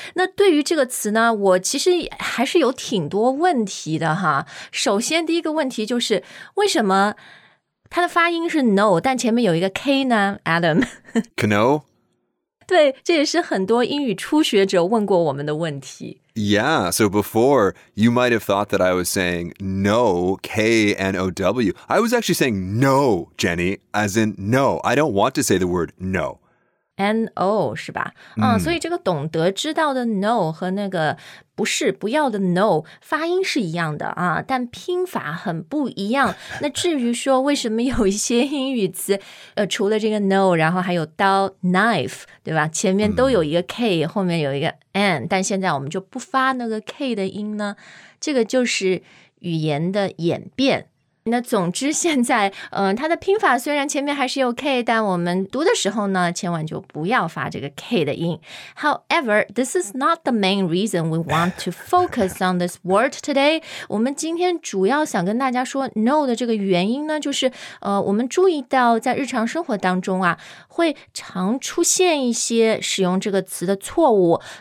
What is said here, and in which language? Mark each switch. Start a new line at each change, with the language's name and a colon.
Chinese: 那对于这个词呢，我其实还是有挺多问题的哈。首先第一个问题就是，为什么它的发音是 know, 但前面有一个 K 呢 ,Adam?
English: Know?
Chinese: 对，这也是很多英语初学者问过我们的问题。
English: Yeah, so before, you might have thought that I was saying no, K-N-O-W. I was actually saying no, Jenny, as in no. I don't want to say the word no.
Chinese: N-O, 是吧？所以这个懂得知道的 no 和那个不是不要的 no, 发音是一样的啊，但拼法很不一样。那至于说为什么有一些英语词除了这个 no, 然后还有刀 knife, 对吧，前面都有一个 k, 后面有一个 n, 但现在我们就不发那个 k 的音呢，这个就是语言的演变。那总之现在它的拼法虽然前面还是有 K, 但我们读的时候呢千万就不要发这个 K 的音。
English: However, this is not the main reason we want to focus on this word today.
Chinese: 我们今天主要想跟大家说 No 的这个原因呢，就是我们注意到在日常生活当中啊，会常出现一些使用这个词的错误。